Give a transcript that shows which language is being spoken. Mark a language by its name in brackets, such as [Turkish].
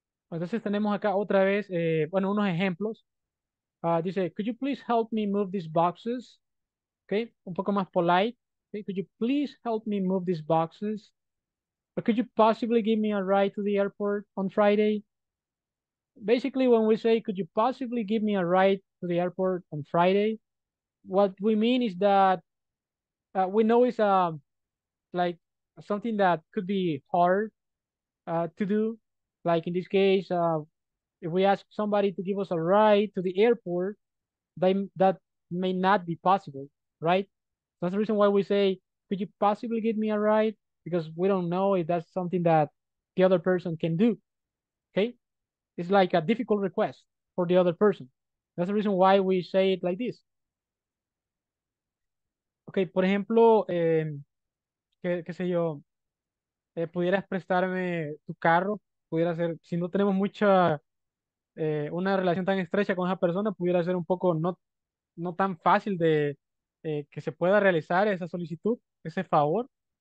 [Spanish] Entonces tenemos acá otra vez, bueno, unos ejemplos. [English] Dice, could you please help me move these boxes? Okay, [Spanish] un poco más [English] polite. Okay, could you please help me move these boxes? Or could you possibly give me a ride to the airport on Friday? Basically, when we say, could you possibly give me a ride to the airport on Friday? What we mean is that we know it's like something that could be hard to do. Like in this case, if we ask somebody to give us a ride to the airport, that may not be possible, right? That's the reason why we say, could you possibly give me a ride? Because we don't know if that's something that the other person can do, okay? It's like a difficult request for the other person. That's the reason why we say it like this. [Spanish] Okay, por ejemplo, qué sé yo, pudieras prestarme tu carro, pudiera ser, si no tenemos mucha, una relación tan estrecha con esa persona, pudiera ser un poco no tan fácil de que se pueda realizar esa solicitud, ese favor.